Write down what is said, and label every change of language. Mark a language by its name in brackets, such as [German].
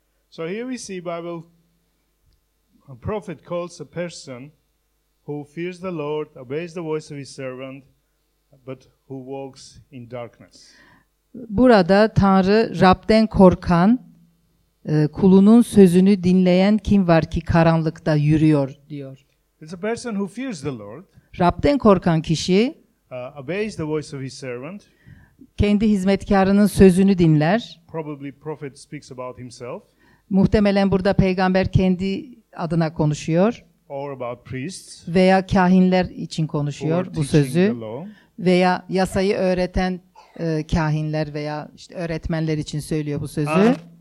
[English] So here we see Bible, a prophet calls a person who fears the Lord, obeys the voice of his servant, but who walks in darkness. [Turkish] Burada Tanrı Rab'den korkan, kulunun sözünü dinleyen kim var ki karanlıkta yürüyor diyor. [English] It's a person who fears the Lord. [Turkish] Rab'den korkan kişi, [English] obeys the voice of his servant. [Turkish] Kendi hizmetkarının sözünü dinler. [English] Probably prophet speaks about himself. [Turkish] Muhtemelen burada peygamber kendi adına konuşuyor. [English] Or about priests. [Turkish] Veya kahinler için konuşuyor bu sözü. Veya yasayı öğreten kahinler veya işte öğretmenler için söylüyor bu sözü.